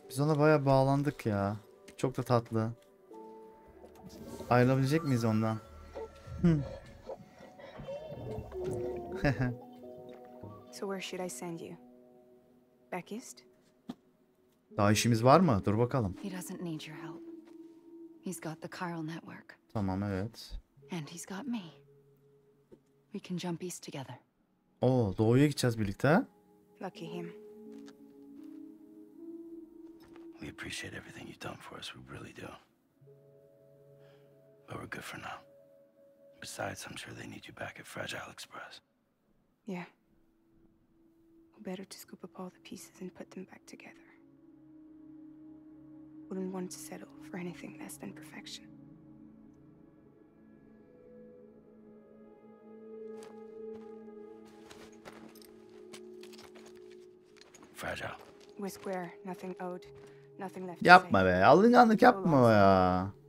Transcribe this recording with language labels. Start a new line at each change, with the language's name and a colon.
Turkish: Biz ona bayağı bağlandık ya. Çok da tatlı. Ayrılabilecek miyiz ondan?
English: So where should I send you? Back east?
Turkish: Daha işimiz var mı? Dur bakalım.
English: He doesn't need your help. He's got the chiral network.
Turkish: Tamam, evet.
English: And he's got me. We can jump east together.
Turkish: Oh, doğuya gideceğiz birlikte.
English: Lucky him. We appreciate everything you've done for us. We really do. But we're good for now. Besides, I'm sure they need you back at Fragile Express. Yeah. We better to scoop up all the pieces and put them back together. Wouldn't want to settle for anything less than perfection. Fragile. We're square, nothing owed, nothing left.
Turkish: Yapma be, alınganlık yapma ya.